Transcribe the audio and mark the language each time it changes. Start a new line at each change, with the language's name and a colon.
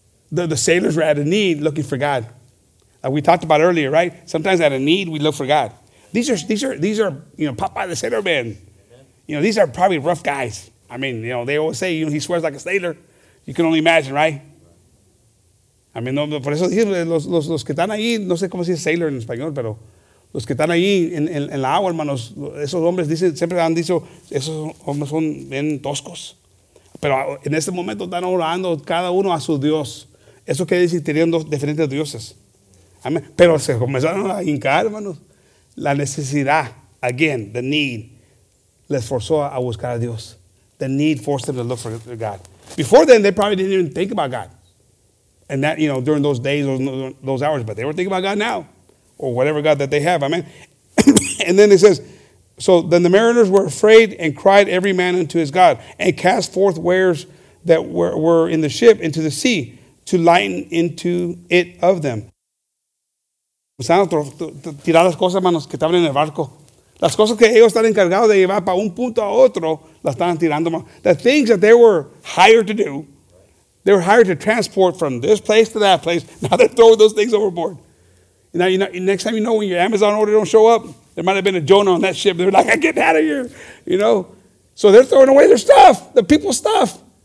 English: The sailors were at a need looking for God. Like we talked about earlier, right? Sometimes at a need, we look for God. These are you know, Popeye the Sailor Man. You know, these are probably rough guys. I mean, you know, they always say, you know, he swears like a sailor. You can only imagine, right? I mean,
Spanish: no, por eso dije, los que están ahí, no sé cómo se dice sailor en español, pero los que están ahí en la agua, hermanos, esos hombres dicen, siempre han dicho, esos hombres son bien toscos. Pero en este momento están orando cada uno a su Dios. Eso quiere decir tenían dos diferentes dioses. Amen. Pero se comenzaron a hincar, hermanos, la necesidad.
English: Again, the need.
Spanish: Les forzó a buscar a Dios.
English: The need forced them to look for God. Before then, they probably didn't even think about God. And that, you know, during those days, those hours, but they were thinking about God now. Or whatever God that they have. Amen. And then it says, so then the mariners were afraid and cried every man unto his God and cast forth wares that were in the ship into the sea to lighten into it of them.
Spanish: Tirar las cosas, manos, que estaban en el barco. Las cosas que ellos están encargados de llevar para un punto a otro, las estaban tirando.
English: The things that they were hired to do, they were hired to transport from this place to that place. Now they're throwing those things overboard. Now, you know, next time you know when your Amazon order don't show up, there might have been a Jonah on that ship. They're like, I'm getting out of here, you know. So they're throwing away their stuff, the people's stuff.